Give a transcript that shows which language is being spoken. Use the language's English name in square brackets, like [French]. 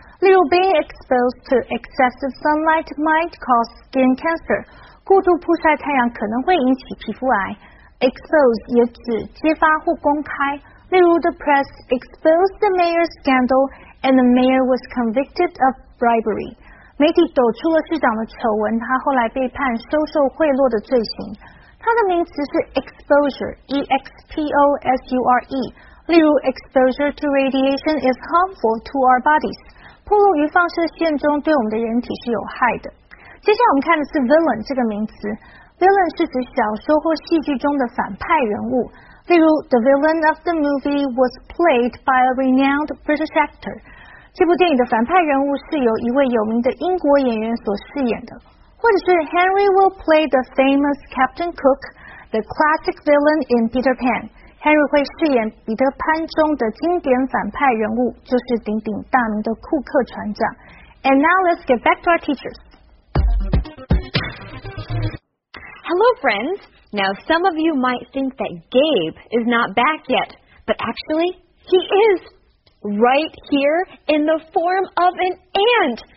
[Chinese] 例如 , [English] being exposed to excessive sunlight might cause skin cancer, [Chinese] 过度曝晒太阳可能会引起皮肤癌。 expose 也指揭发或公开。例如 [English] the press exposed the mayor's scandal and the mayor was convicted of bribery. [Chinese] 媒体抖出了市长的丑闻，他后来被判收受贿赂的罪行。它的名词是 exposure, E-X-P-O-S-U-R-E. 例如 [English] exposure to radiation is harmful to our bodies. [Chinese] 暴露于放射线中对我们的人体是有害的。接下来我们看的是 villain 这个名词。Villain 是指小说或戏剧中的反派人物。例如 [English] The villain of the movie was played by a renowned British actor. [Chinese] 这部电影的反派人物是由一位有名的英国演员所饰演的。或者是 [English] Henry will play the famous Captain Cook, the classic villain in Peter Pan. [Chinese] Henry 会饰演彼得潘中的经典反派人物，就是鼎鼎大名的库克船长。 [English] And now let's get back to our teachers. Hello, friends. Now, some of you might think that Gabe is not back yet, but actually, he is right here in the form of an ant.